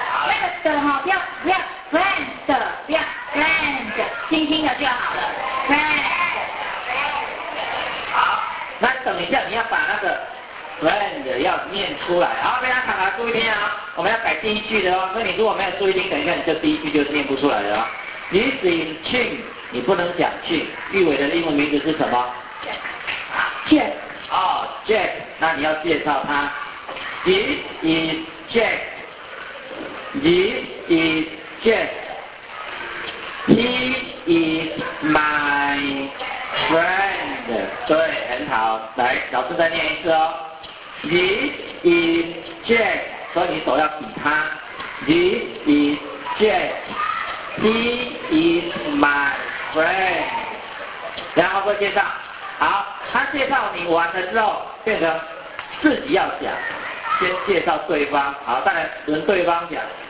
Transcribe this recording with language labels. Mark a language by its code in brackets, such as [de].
[zh] 那个的哈，不要不要 friend 的，不要 friend， 轻轻的就好了。 [en] Friend。 [zh] 好，那等一下你要把那个。friend 要念出来，好，大家常常注意听啊、哦，我们要改第一句的哦。那你如果没有注意听，等一下你就第一句就念不出来了、哦。 [en] This is Qing， [zh] 你不能讲 Qing。玉伟的英文名字是什么 [en] ？Jack。 [zh] 哦 ，Jack， 那你要介绍他。 [en] This is Jack。 This is Jack。 He is my friend。 [zh] 对，很好，来，老师再念一次哦。 [en] This is Jack， [zh] 所以你手要比他。 [en] This is Jack， he is my friend。 [zh] 然后会介绍，好，他介绍你完了之后，变成自己要讲，先介绍对方，好，再来轮对方讲。